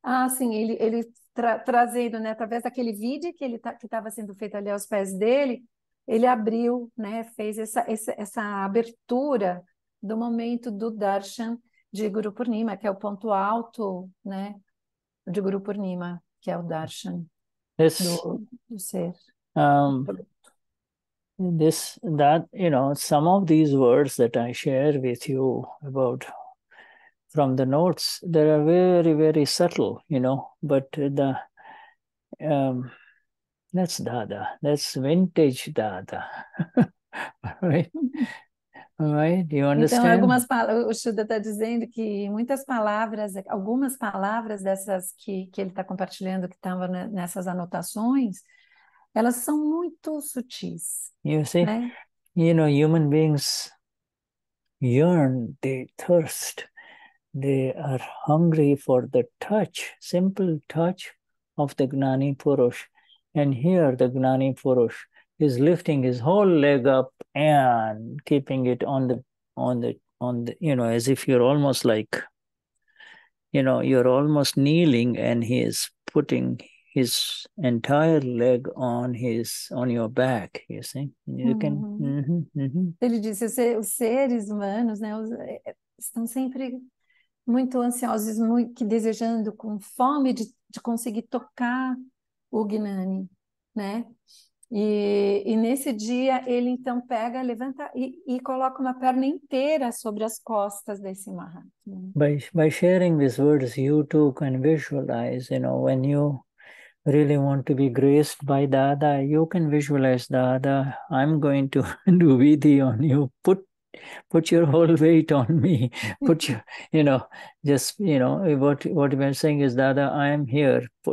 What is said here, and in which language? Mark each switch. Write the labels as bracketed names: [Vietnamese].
[Portuguese] Sim, ele trazendo, né, através daquele vídeo que ele estava sendo feito ali aos pés dele, ele abriu, né, fez essa abertura do momento do darshan de Guru Purnima, que é o ponto alto, né, de Guru Purnima, que é o darshan do ser. [English] This, that, you know, some of these words that I share with you about from the notes, they are very, very subtle, you know, but the that's Dada, that's vintage Dada. Right? Do you understand? [Portuguese] Então, algumas palavras, o Shuddha está dizendo que muitas palavras, algumas palavras dessas que ele está compartilhando, que estavam nessas anotações, elas são muito sutis. [English] You see, [Portuguese] né? [English] You know, human beings yearn, they thirst, they are hungry for the touch, simple touch of the Gnani Purush. And here the Gnani Purush is lifting his whole leg up and keeping it on the, you know, as if you're almost like, you know, you're almost kneeling, and he is putting his entire leg on your back, you see? You uhum. Can. [Portuguese] Ele disse, os seres humanos, né, estão sempre muito ansiosos, muito desejando, com fome de conseguir tocar o Gnani, né? E nesse dia ele então pega, levanta e coloca uma perna inteira sobre as costas desse Mahatma. [English] By sharing these words, you too can visualize, you know, when you really want to be graced by Dada, you can visualize Dada. I'm going to do vidhi on you. Put your whole weight on me. Put your, you know, just, you know, what we're saying is, Dada, I'm here.